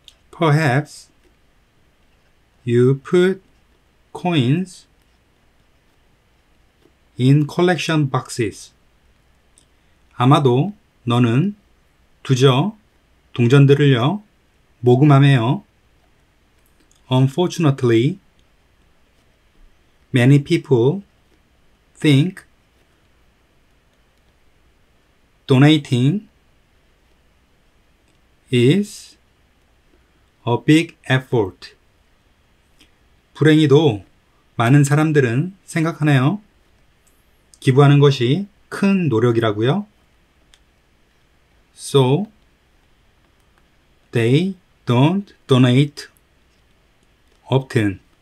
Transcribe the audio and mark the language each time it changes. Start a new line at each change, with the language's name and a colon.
English: Perhaps you put coins in collection boxes.
Korean: 아마도 너는 두저 동전들을요 모금하며.
English: Unfortunately, many people think donating is a big effort.
Korean: 불행히도 많은 사람들은 생각하네요. 기부하는 것이 큰 노력이라고요.
English: So, they don't donate often.